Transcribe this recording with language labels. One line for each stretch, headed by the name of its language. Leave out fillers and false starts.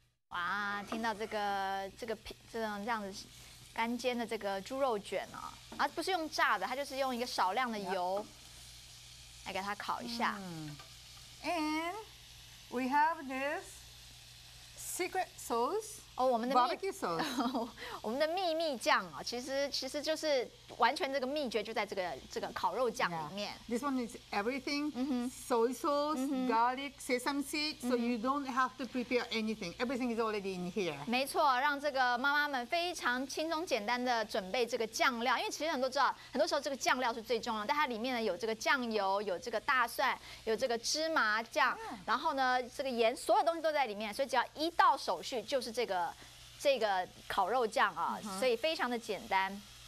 Chinese: 哇，听到这样子干煎的这个猪肉卷哦，啊，不是用炸的，它就是用一个少量的油来给它烤一下。
English: And we have this. Secret sauce,
Chinese: oh, 我们的
English: barbecue sauce,
Chinese: 我们的秘密酱啊，其实就是完全这个秘诀就在这个烤肉酱里面。
English: This one is everything, soy sauce, garlic, sesame seeds, so you don't have to prepare anything. Everything is already in here.
Chinese: 没错，让这个妈妈们非常轻松简单的准备这个酱料，因为其实很多知道，很多时候这个酱料是最重要的，但它里面呢有这个酱油，有这个大蒜，有这个芝麻酱，然后呢这个盐，所有东西都在里面，所以只要一道手续就是这个烤肉酱啊，所以非常的简单。